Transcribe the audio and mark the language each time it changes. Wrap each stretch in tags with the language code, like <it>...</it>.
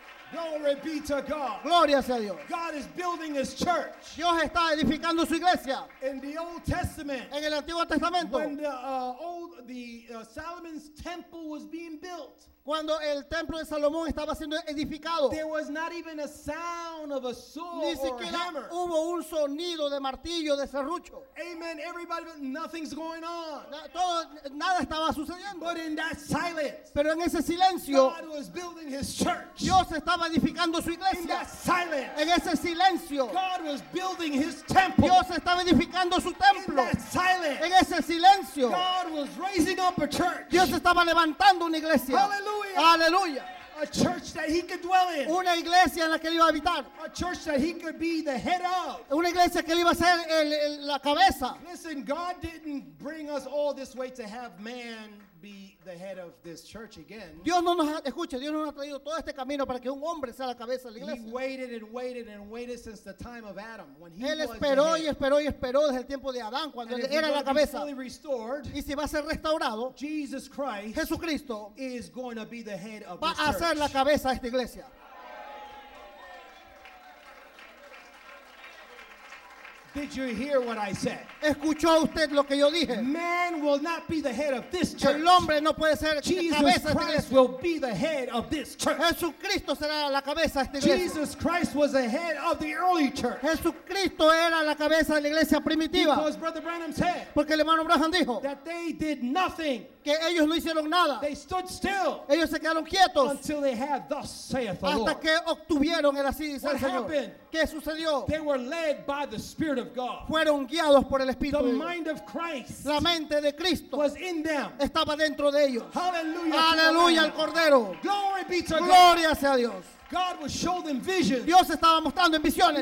<en>Glory be to God.</en> <es>Gloria sea a Dios.</es> <en>God is building his church.</en> <es>Dios está edificando su iglesia.</es> <en>In the Old Testament.</en> <es>En el Antiguo Testamento.</es> <en>When Solomon's temple was being built.</en> <es>Cuando el templo de Salomón estaba siendo edificado.</es> <en>There was not even a sound of a saw</en> <es>ni siquiera</es> <en>or hammer.</en> <es>Hubo un sonido de martillo, de serrucho.</es> <en>Amen. Everybody, nothing's going on.</en> <es>Nada estaba sucediendo.</es> <en>But in that silence.</en> <es>Pero en ese silencio.</es> <en>God was building his church.</en> <es>Dios estaba edificando su iglesia.</es> <en>In that silence.</en> <es>En ese silencio.</es> <en>God was building his temple.</en> <es>Dios estaba edificando su templo.</es> <en>In that silence.</en> <es>En ese silencio.</es> <en>God was raising up a church.</en> <es>Dios estaba levantando una iglesia.</es> <en>Hallelujah. A church that he could dwell in.</en> <es>Una iglesia en la que él iba a habitar.</es> <en>A church that he could be the head of.</en> <es>Una iglesia que él iba a ser el la cabeza.</es> <en>Listen, God didn't bring us all this way to have man be the head of this church again.</en> <es>Dios no nos ha, escuche, Dios no nos ha traído todo este camino para que un hombre sea la cabeza de la iglesia.</es> <en>He waited and waited and waited since the time of Adam when he</en> <es>él esperó y esperó y esperó desde el tiempo de Adán cuando él era la cabeza.</es> <en>Fully restored,</en> <es>y si va a ser restaurado,</es> <en>Jesus Christ,</en> <es>Jesucristo,</es> <en>is going to be the head of</en> <es>va</es> <en>this church.</en> <es>A ser la cabeza de esta iglesia.</es> <en>Did you hear what I said?</en> <es>¿Escuchó usted lo que yo dije?</es> <en>Man will not be the head of this church.</en> <es>El hombre no puede ser</es> <en>Jesus</en> <es>cabeza</es> <en>Christ</en> <es>de iglesia.</es> <en>Will be the head of this church.</en> <es>Jesucristo será la cabeza de esta</es> <en>Jesus</en> <es>iglesia.</es> <en>Jesus Christ was the head of the early church.</en> <es>Jesucristo era la cabeza de la iglesia primitiva.</es> <en>Because Brother Branham said.</en> <es>Porque el hermano Branham dijo.</es> <en>That they did nothing.</en> <es>Que ellos no hicieron nada.</es> <en>They stood still.</en> <es>Ellos se quedaron quietos.</es> <en>Until they had thus saith the Lord.</en> <es>Hasta que obtuvieron el así dice el Señor.</es> <en>What happened?</en> <es>¿Qué sucedió?</es> <en>They were led by the Spirit of God.</en> <es>Fueron guiados por el Espíritu.</es> <en>The mind of Christ.</en> <es>La mente de Cristo.</es> <en>Was in them.</en> <es>Estaba dentro de ellos.</es> <en>Hallelujah.</en> <es>Hallelujah al Cordero.</es> <en>Glory be to God.</en> <es>Gloria sea a Dios.</es> <en>God will show them visions.</en> <es>Dios estaba mostrando en visiones.</es>